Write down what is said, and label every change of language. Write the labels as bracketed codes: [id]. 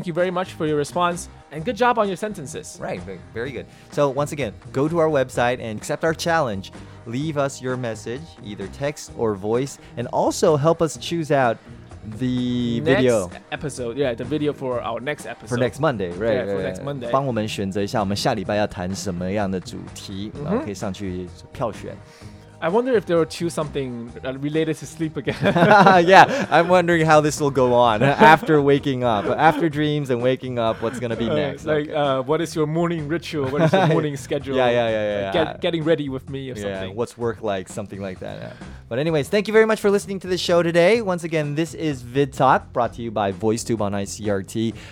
[en] Thank you very much for your response, and good job on your sentences. Right, very good. So once again, go to our website and accept our challenge. Leave us your message, either text or voice, and also help us choose out the next video. Next episode, yeah, the video for our next episode. For next Monday, right. Yeah, for next Monday. [zh] 帮我们选择一下我们下礼拜要谈什么样的主题，然后可以上去票选。 [en] I wonder if they will choose something related to sleep again. Yeah, I'm wondering how this will go on after waking up. After dreams and waking up, what's going to be next? Like, what is your morning ritual? What is your morning schedule? Yeah. Getting ready with me or something. Yeah, what's work like? Something like that. Yeah. But anyways, thank you very much for listening to the show today. Once again, this is VidTalk, brought to you by VoiceTube on ICRT.